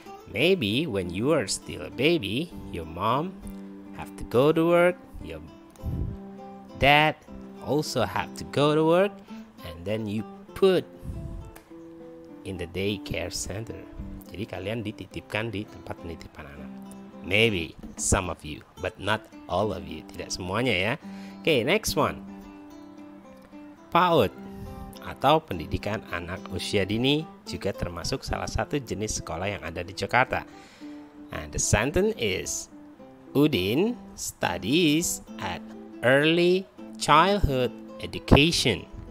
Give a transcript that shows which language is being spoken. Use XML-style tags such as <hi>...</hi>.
<en>Maybe when you are still a baby, your mom have to go to work, your dad also have to go to work, and then you put in the daycare center.</en> <id>Jadi kalian dititipkan di tempat penitipan anak.</id> <en>Maybe some of you, but not all of you.</en> <id>Tidak semuanya ya.</id> <en>Okay, next one.</en> <id>PAUD atau pendidikan anak usia dini juga termasuk salah satu jenis sekolah yang ada di Jakarta.</id> <en>And the sentence is, Udin studies at early childhood education.</en>